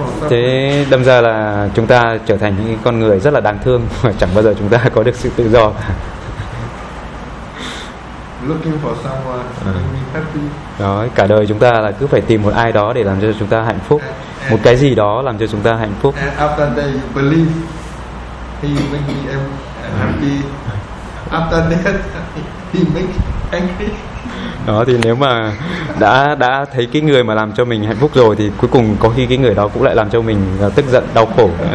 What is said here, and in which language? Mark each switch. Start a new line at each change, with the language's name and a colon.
Vietnamese: Thế đâm ra là chúng ta trở thành những con người rất là đáng thương, và chẳng bao giờ chúng ta có được sự tự do.
English: Looking for someone happy.
Vietnamese: Đó, cả đời chúng ta là cứ phải tìm một ai đó để làm cho chúng ta hạnh phúc, một cái gì đó làm cho chúng ta hạnh phúc.
English: And after that you believe he make me happy. After that he make angry.
Vietnamese: Đó thì nếu mà đã thấy cái người mà làm cho mình hạnh phúc rồi thì cuối cùng có khi cái người đó cũng lại làm cho mình tức giận, đau khổ.